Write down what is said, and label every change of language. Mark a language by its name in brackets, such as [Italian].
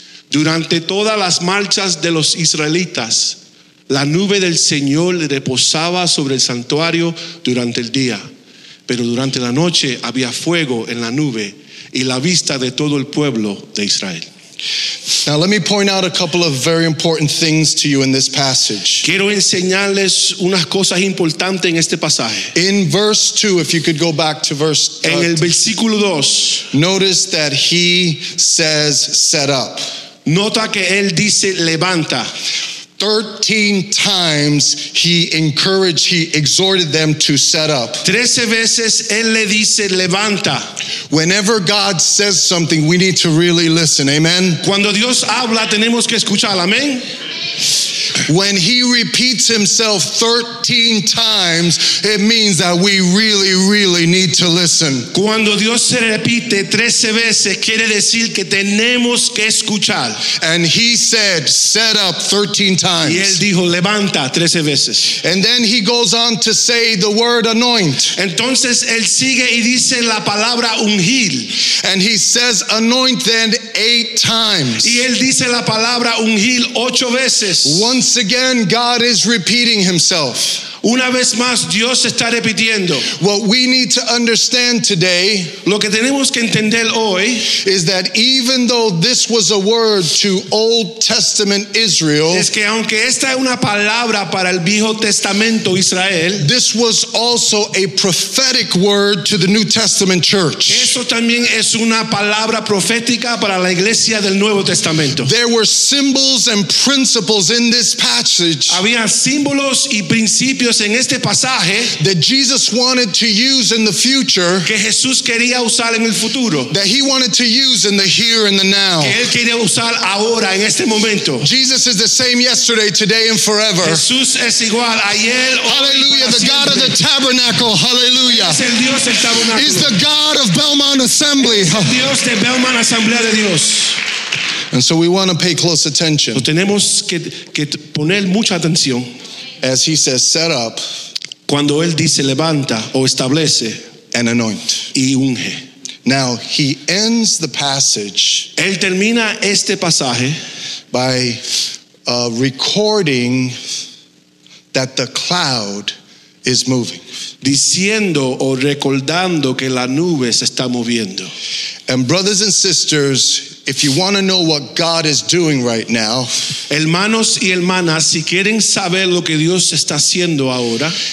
[Spanish] Durante todas las marchas de los israelitas, la nube del Señor reposaba sobre el santuario durante el día. Pero durante la noche había fuego en la nube y la vista de todo el pueblo de Israel. [English] Now let me point out a couple of very important things to you in this passage. [Spanish] Quiero enseñarles unas cosas importantes en este pasaje. [English] In verse 2, if you could go back to verse 2. [Spanish] En el versículo 2. [English] Notice that he says set up. [Spanish] Nota que él dice levanta. [English] 13 times he exhorted them to set up. [Spanish] 13 veces él le dice levanta. [English] Whenever God says something, we need to really listen. Amen. [Spanish] Cuando Dios habla, tenemos que escuchar. Amen. [English] When he repeats himself 13 times, it means that we really, really need to listen. [Spanish] Cuando Dios se repite 13 veces, quiere decir que tenemos que escuchar. [English] And he said, set up 13 times. [Spanish] Y él dijo, levanta 13 veces. [English] And then he goes on to say the word anoint. [Spanish] Entonces él sigue y dice la palabra ungir. [English] And he says anoint then 8 times. [Spanish] Y él dice la palabra ungir 8 veces. [English] Once again, God is repeating himself. [Spanish] Una vez más, Dios está repitiendo. [English] What we need to understand today, [Spanish] lo que tenemos que entender hoy, [English] is that even though this was a word to Old Testament Israel, [Spanish] es que aunque esta es una palabra para el Viejo Testamento Israel, [English] this was also a prophetic word to the New Testament church. [Spanish] Eso también es una palabra profética para la iglesia del Nuevo Testamento. [English] There were symbols and principles in this passage. [Spanish] Había símbolos y principios en este pasaje [English] that Jesus wanted to use in the future, [Spanish] que Jesús quería usar en el futuro, [English] that he wanted to use in the here and the now, [Spanish] que él quería usar ahora en este momento. [English] Jesus is the same yesterday, today and forever. [Spanish] Jesús es igual ayer, hoy, [English] hallelujah, the God of the tabernacle, hallelujah, [Spanish] es el Dios del tabernáculo. [English] He's the God of Belmont Assembly, [Spanish] es el Dios de Belmont Asamblea de Dios. [English] And so we want to pay close attention. [Spanish] Tenemos que poner mucha atención. [English] As he says, set up. [Spanish] Cuando él dice levanta o establece. [English] And anoint. [Spanish] Y unge. [English] Now he ends the passage. [Spanish] Él termina este pasaje [English] by recording that the cloud is moving. [Spanish] Diciendo o recordando que la nube se está moviendo. [English] And brothers and sisters, If you want to know what God is doing right now, [Spanish] hermanos y hermanas, si quieren saber lo que Dios está haciendo ahora,